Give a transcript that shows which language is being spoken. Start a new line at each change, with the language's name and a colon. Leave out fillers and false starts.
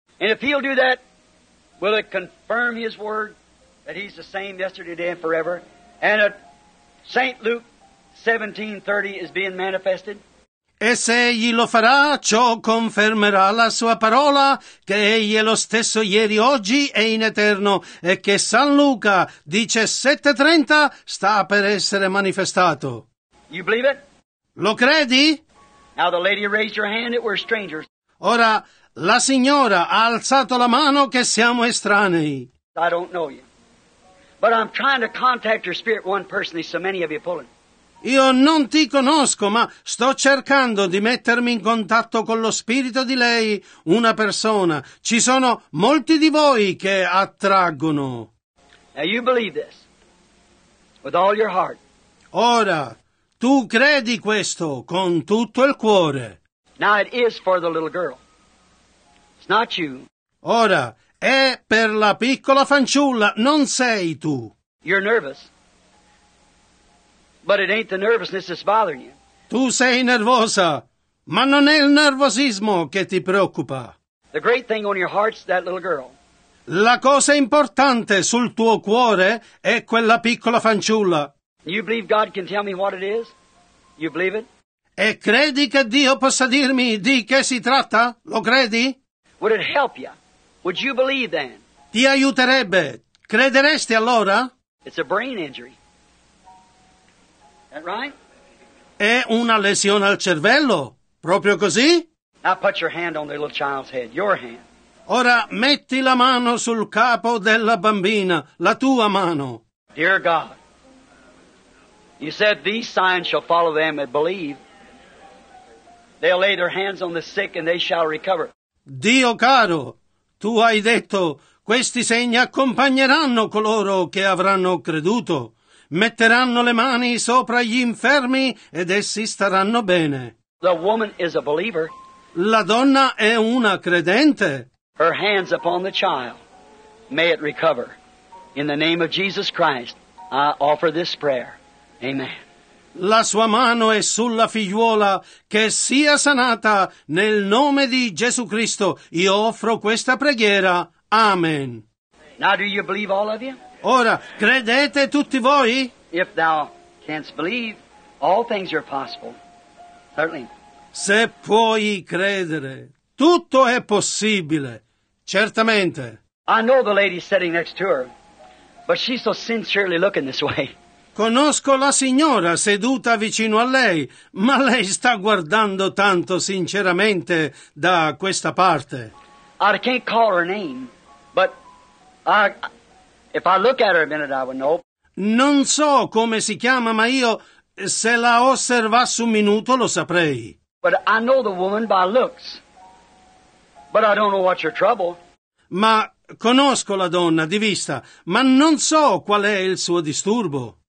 English: And if he'll do that, will it confirm his word that he's the same yesterday, today, and forever? And at St. Luke 17:30 is being manifested?
Italian: E se egli lo farà, ciò confermerà la sua parola, che egli è lo stesso ieri, oggi e in eterno, e che San Luca, 17:30, sta per essere manifestato.
English: You believe it?
Italian: Lo credi?
English: Now the lady raised her hand that we're strangers.
Italian: Ora, la signora ha alzato la mano che siamo estranei.
English: I don't know you. But I'm trying to contact your spirit one person, so many of you pulling.
Italian: Io non ti conosco, ma sto cercando di mettermi in contatto con lo spirito di lei, una persona. Ci sono molti di voi che attraggono.
English: Now you believe this with all your heart.
Italian: Ora, tu credi questo con tutto il cuore.
English: Now it is for the little girl. It's not you.
Italian: Ora, è per la piccola fanciulla, non sei tu.
English: You're nervous. But it ain't the nervousness that's bothering you.
Italian: Tu sei nervosa, ma non è il nervosismo che ti preoccupa.
English: The great thing on your heart's that little girl.
Italian: La cosa importante sul tuo cuore è quella piccola fanciulla.
English: You believe God can tell me what it is? You believe it?
Italian: E credi che Dio possa dirmi di che si tratta? Lo credi?
English: Would it help you? Would you believe then?
Italian: Ti aiuterebbe. Crederesti allora?
English: It's a brain injury. That right?
Italian: È una lesione al cervello, proprio così?
English: Now put your hand on the little child's head, your hand.
Italian: Ora metti la mano sul capo della bambina, la tua mano.
English: Dear God, you said these signs shall follow them that believe. They'll lay their hands on the sick and they shall recover.
Italian: Dio caro, tu hai detto, questi segni accompagneranno coloro che avranno creduto. Metteranno le mani sopra gli infermi ed essi staranno bene.
English: The woman is a believer.
Italian: La donna è una credente.
English: Her hands upon the child. May it recover. In the name of Jesus Christ, I offer this prayer. Amen.
Italian: La sua mano è sulla figliuola, che sia sanata nel nome di Gesù Cristo. Io offro questa preghiera. Amen.
English: Now do you believe all of you?
Italian: Ora, credete tutti voi?
English: If thou canst believe, all things are possible. Certainly.
Italian: Se puoi credere, tutto è possibile. Certamente.
English: I know the lady sitting next to her, but she's so sincerely looking this way.
Italian: Conosco la signora seduta vicino a lei, ma lei sta guardando tanto sinceramente da questa parte.
English: I can't call her name, but if I look at her a minute, I would know.
Italian: Non so come si chiama, ma io se la osservassi un minuto lo saprei.
English: But I know the woman by looks. But I don't know what's your trouble.
Italian: Ma conosco la donna di vista, ma non so qual è il suo disturbo.